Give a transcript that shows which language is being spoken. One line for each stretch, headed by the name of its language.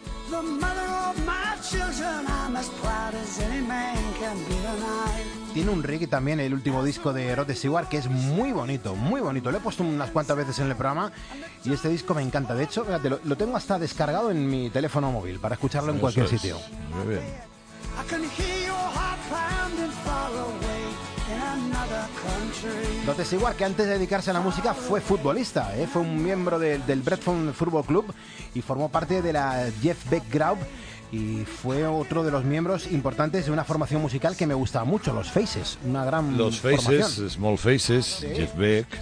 English: The mother of my children, I'm as proud as any man can be tonight.
Spanish: Tiene un reggae también el último disco de Rod Stewart, que es muy bonito, muy bonito. Lo he puesto unas cuantas veces en el programa y este disco me encanta. De hecho, fíjate, lo tengo hasta descargado en mi teléfono móvil para escucharlo en cualquier sitio. Muy bien.
English: I can hear your heart pounding far away in another country.
Spanish: Entonces, igual que antes de dedicarse a la música, fue futbolista, ¿eh? Fue un miembro del Brentford Football Club y formó parte de la Jeff Beck Group. Y fue otro de los miembros importantes de una formación musical que me gustaba mucho, Los Faces, una gran Los Faces, formación. Small Faces, sí. Jeff Beck.